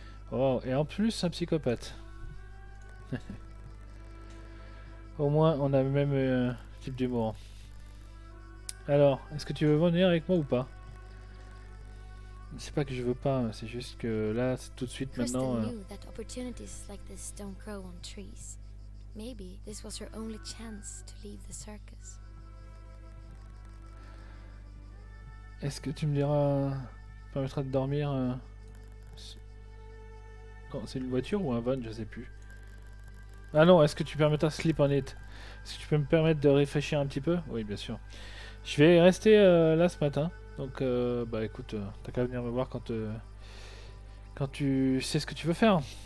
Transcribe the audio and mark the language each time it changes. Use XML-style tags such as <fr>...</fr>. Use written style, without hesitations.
<fr>Oh, et en plus, un psychopathe. Au moins, on a le même type d'humour. Alors, est-ce que tu veux venir avec moi ou pas? C'est pas que je veux pas, c'est juste que là, c'est tout de suite maintenant.</fr> <en>Kristen knew that opportunities like this don't grow on trees. Maybe this was her only chance to leave the circus.</en> <fr>Est-ce que tu me diras, permettras de dormir Non, c'est une voiture ou un van, je sais plus. Ah non, est-ce que tu permettras</fr> <en>sleep on it?</en> <fr>Est-ce que tu peux me permettre de réfléchir un petit peu? Oui, bien sûr. Je vais rester là ce matin. Donc, bah écoute, t'as qu'à venir me voir quand tu sais ce que tu veux faire.</fr>